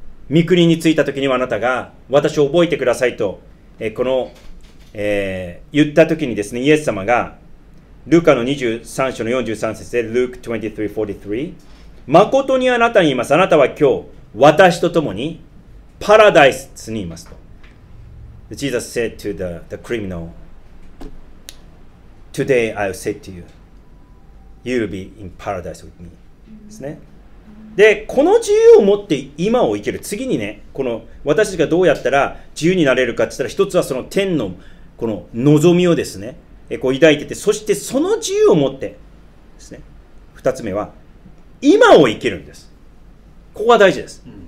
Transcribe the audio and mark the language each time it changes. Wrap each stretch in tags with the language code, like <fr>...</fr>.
<ja>御国に着いた時にはあなたが私を覚えてくださいと、言った時にですね、イエス様がルカの23章の43節で Luke 23:43、誠にあなたに言います、あなたは今日私と共にパラダイスにいますと。</ja> <en>Jesus said to the criminal, Today I'll say to you, You'll be in paradise with me ですね。</en> <ja>で、この自由を持って今を生ける。次にね、この私たちがどうやったら自由になれるかって言ったら、一つはその天のこの望みをですね、こう抱いてて、そしてその自由を持ってですね、二つ目は今を生けるんです。ここが大事です。</ja>